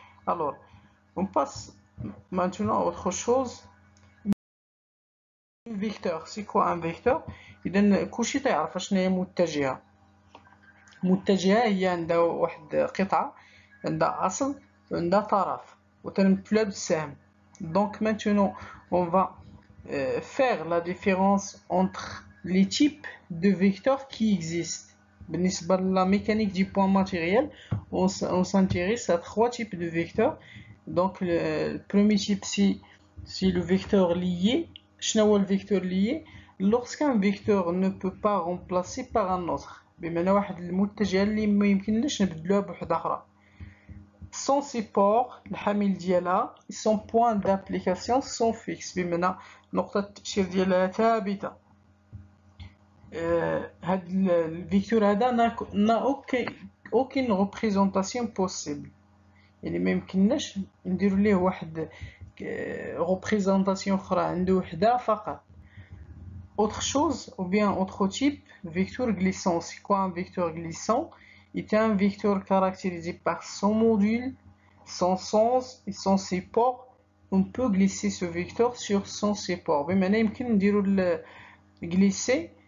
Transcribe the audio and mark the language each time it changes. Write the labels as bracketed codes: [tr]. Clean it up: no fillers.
[fr] Alors, on passe maintenant à autre chose. Vecteur, c'est quoi un vecteur? [ar] إذا كلشي تعرف شنو هي متجهة. متجهة هي عندها واحد قطعة عندها أصل عندها طرف وتنم بلاد السهم. [fr] دونك maintenant on va faire la différence entre les types de vecteurs qui existent. بالنسبة للا ميكانيك دي بوان ماتيريال on s'intéresse à trois types de vecteurs. Donc le premier type c'est le vecteur lié. [ar] شنو هو الفيكتور لي [fr] lorsqu'un vecteur ne peut pas remplacer par un autre. [ar] بمعنى واحد المتجه اللي ما يمكنناش نبدلوها بواحد اخرى. [fr] Son support, [ar] الحامل ديالها, [fr] son point d'application sont fixes. [ar] بمعنى نقطة التأشير ديالها ثابتة. هاد الفيكتور هذا [fr] n'a aucune représentation possible. [ar] يعني ما يمكنناش نديرو ليه واحد représentation اخرى عنده وحدة فقط. [fr] Autre chose, ou bien autre type, vecteur glissant. C'est quoi un vecteur glissant? Il est un vecteur caractérisé par son module, son sens et son support. On peut glisser ce vecteur sur son support. Mais maintenant, il peut dire le glisser.